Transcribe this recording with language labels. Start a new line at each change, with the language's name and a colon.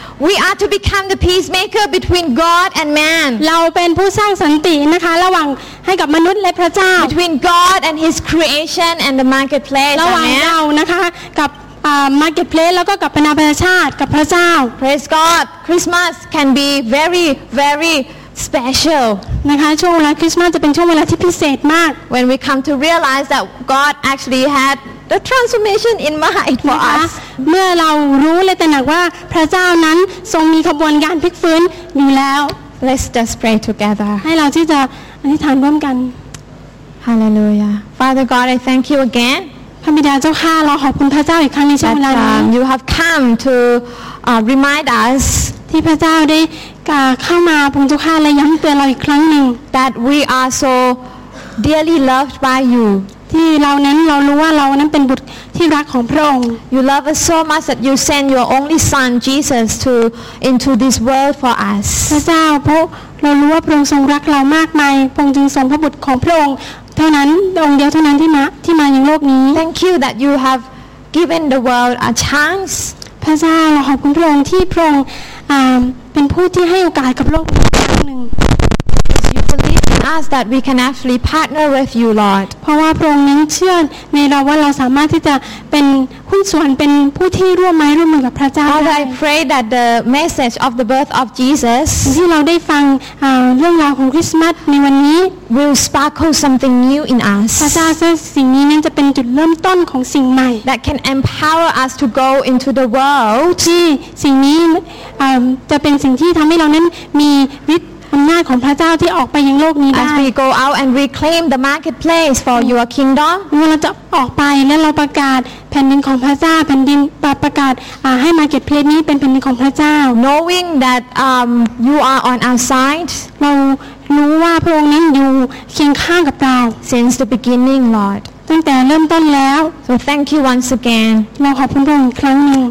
English: We are to become the peacemaker between God and man.
Thai: เราเป็นผู้สร้างสันตินะคะระหว่างให้กับมนุษย์และพระเจ้า
English: Between God and His creation and the marketplace.
Thai: ระหว่างเรานะคะกับmarketplace แล้วก็กับบรรดาประชาชาติกับพระเจ้า
English: Praise God Christmas can be very very special
Thai: นะคะช่วงเวลาคริสต์มาสจะเป็นช่วงเวลาที่พิเศษมาก
English: When we come to realize that God actually had the transformation in mind for us
Thai: เมื่อเรารู้และตระหนักว่าพระเจ้านั้นทรงมีขบวนการพลิกฟื้นอยู่แล้ว
English: Let's just pray together
Thai: ให้เราที่จะอธิษฐานร่วมกัน
English: Hallelujah Father God I thank you again
Thai: พระบิดาเจ้าข้าเราขอบคุณพระเจ้าอีกครั้งในช่วงเวลานี้
English: You have come to remind us
Thai: ที่พระเจ้าได้กล่าวเข้ามาพระองค์เจ้าข้าและย้ำเตือนเราอีกครั้งหนึ่ง
English: That we are so dearly loved by you
Thai: ที่เรานั้นเรารู้ว่าเรานั้นเป็นบุตรที่รักของพระองค์
English: You love us so much that you send your only son Jesus to into this world for us
Thai: พระเจ้าเพราะเรารู้ว่าพระองค์ทรงรักเรามากมายพระองค์จึงส่งพระบุตรของพระองค์เท่านั้นองค์เดียวเท่านั้นที่มาในโลกนี้
English: Thank you that you have given the world a chance
Thai: พระเจ้าเราขอบคุณพระองค์ที่พระองค์เป็นผู้ที่ให้โอกาสกับโลกนี้ครั้งหนึ่ง
English: You believe in us that we can actually partner with you Lord
Thai: เพราะว่าพระองค์นั้นเชื่อในเราว่าเราสามารถที่จะเป็นหุ้นส่วนเป็นผู้ที่ร่วมไม้ร่วมมือกับพระเจ้าได้
English: I pray that the message of the birth of Jesus
Thai: ที่เราได้ฟังเรื่องราวของคริสต์มาสในวันนี้
English: Will sparkle something new in us.
Thai: พระเจ้าซึ่งสิ่งนี้นั้นจะเป็นจุดเริ่มต้นของสิ่งใหม่
English: That can empower us to go into the world.
Thai: ที่สิ่งนี้จะเป็นสิ่งที่ทำให้เรานั้นมีฤทธิ์อำนาจของพระเจ้าที่ออกไปยังโลกนี้ได้
English: As we go out and reclaim the marketplace for your kingdom.
Thai: เมื่อเราจะออกไปและเราประกาศแผ่นดินของพระเจ้าแผ่นดินประกาศให้ marketplace นี้เป็นแผ่นดินของพระเจ้า
English: Knowing that you are on our side.
Thai: เรารู้ว่าพระองค์นั้นอยู่เคียงข้างกับเรา
English: Since the beginning Lord
Thai: ตั้งแต่เริ่มต้นแล้ว
English: So thank you once again
Thai: เราขอบคุณพระองค์อีกครั้งนึง